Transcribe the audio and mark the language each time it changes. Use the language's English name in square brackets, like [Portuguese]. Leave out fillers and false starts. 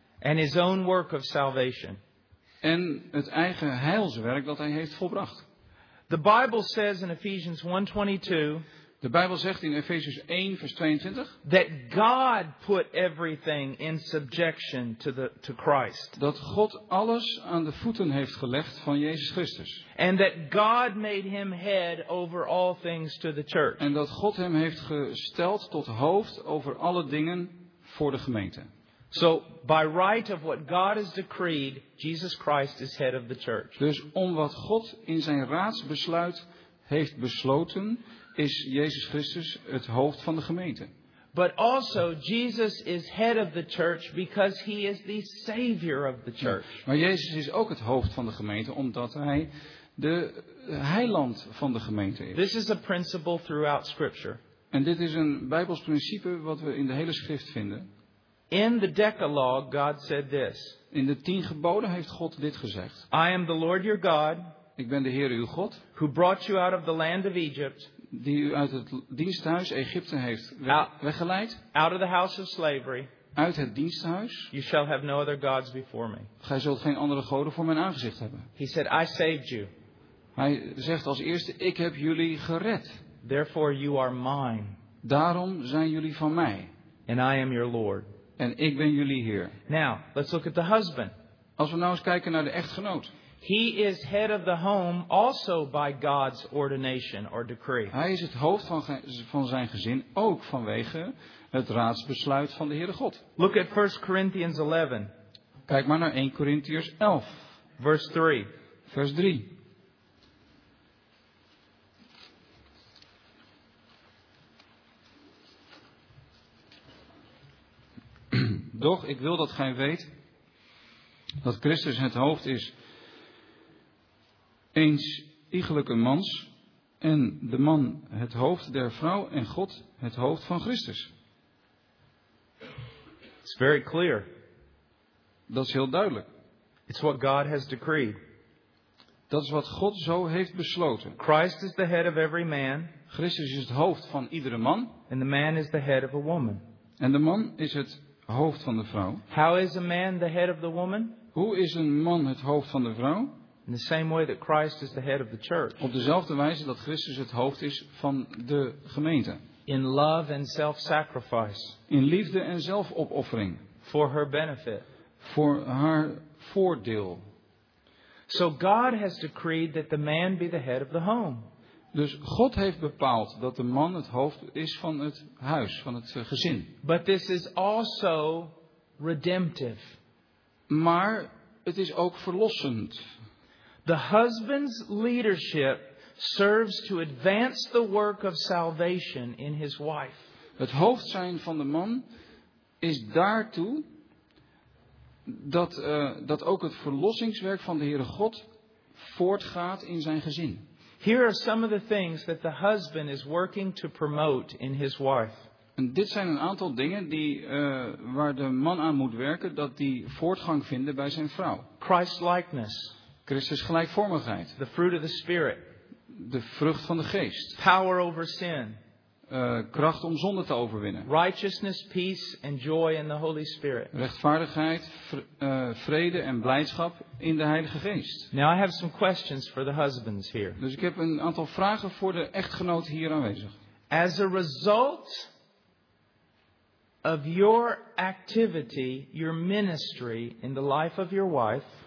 [English] And his own work of salvation. [Dutch] En het eigen heilswerk dat hij heeft volbracht. [English] The Bible says in Ephesians 1:22. [Dutch] De Bijbel zegt in Efesius 1 vers 22. [English] That God put everything in subjection to Christ. [Dutch] Dat God alles aan de voeten heeft gelegd van Jezus Christus. [English] And that God made him head over all things to the church. [Dutch] En dat God hem heeft gesteld tot hoofd over alle dingen voor de gemeente. [English] So by right of what God has decreed, Jesus Christ is head of the church. [Dutch] Dus om wat God in zijn raadsbesluit heeft besloten, is Jezus Christus het hoofd van de gemeente. [English] But also Jesus is head of the church because he is the savior of the church. [Dutch] Ja, maar Jezus is ook het hoofd van de gemeente omdat hij de heiland van de gemeente is. [English] This is a principle throughout scripture. [Dutch] En dit is een Bijbels principe wat we in de hele schrift vinden. [English] In the Decalogue, God said this. [Dutch] In de tien geboden heeft God dit gezegd. [English] I am the Lord your God. [Dutch] Ik ben de Heer uw God. [English] Who brought you out of the land of Egypt. [Dutch] Die u uit het diensthuis Egypte heeft weggeleid. [English] Out of the house of slavery. [Dutch] Uit het diensthuis. [English] You shall have no other gods before me. [Dutch] Gij zult geen andere goden voor mijn aangezicht hebben. [English] He said, I saved you. [Dutch] Hij zegt als eerste, ik heb jullie gered. [English] Therefore you are mine. [Dutch] Daarom zijn jullie van mij. [English] And I am your Lord. [Dutch] En ik ben jullie Heer. [English] Now, let's look at the husband. [Dutch] Als we nou eens kijken naar de echtgenoot. [English] He is head of the home also by God's ordination or decree. [Dutch] Hij is het hoofd van zijn gezin ook vanwege het raadsbesluit van de Heere God. [English] Look at 1 Corinthians 11. [Dutch] Kijk maar naar 1 Corinthians 11. [English] Verse 3. [Dutch] Vers 3. Doch ik wil dat gij weet dat Christus het hoofd is eens iegelijke mans en de man het hoofd der vrouw en God het hoofd van Christus. [English] It's very clear. [Dutch] Dat is heel duidelijk. [English] It's what God has decreed. [Dutch] Dat is wat God zo heeft besloten. [English] Christ is the head of every man. [Dutch] Christus is het hoofd van iedere man. [English] And the man is the head of a woman. [Dutch] En de man is het hoofd van de vrouw. [English] How is a man the head of the woman? [Dutch] Hoe is een man het hoofd van de vrouw? [English] In the same way that Christ is the head of the church. [Dutch] Op dezelfde wijze dat Christus het hoofd is van de gemeente. [English] In love and self-sacrifice. [Dutch] In liefde en zelfopoffering. [English] For her benefit. [Dutch] Voor haar voordeel. [English] So God has decreed that the man be the head of the home. [Dutch] Dus God heeft bepaald dat de man het hoofd is van het huis, van het gezin. [English] But this is also redemptive. [Dutch] Maar het is ook verlossend. [English] The husband's leadership serves to advance the work of salvation in his wife. [Dutch] Het hoofd zijn van de man is daartoe dat ook het verlossingswerk van de Heere God voortgaat in zijn gezin. [English] Here are some of the things that the husband is working to promote in his wife. [Dutch] En dit zijn een aantal dingen die, waar de man aan moet werken dat die voortgang vinden bij zijn vrouw. [English] Christ-likeness. [Dutch] Christus gelijkvormigheid. [English] The fruit of the Spirit. [Dutch] De vrucht van de geest. [English] Power over sin. [Dutch] Kracht om zonde te overwinnen. [English] Righteousness, peace and joy in the Holy Spirit. [Dutch] Rechtvaardigheid, vrede en blijdschap in de Heilige Geest. [English] Now I have some questions for the husbands here. [Dutch] Dus ik heb een aantal vragen voor de echtgenoot hier aanwezig. [English] As a result of your activity, your ministry in the life of your wife.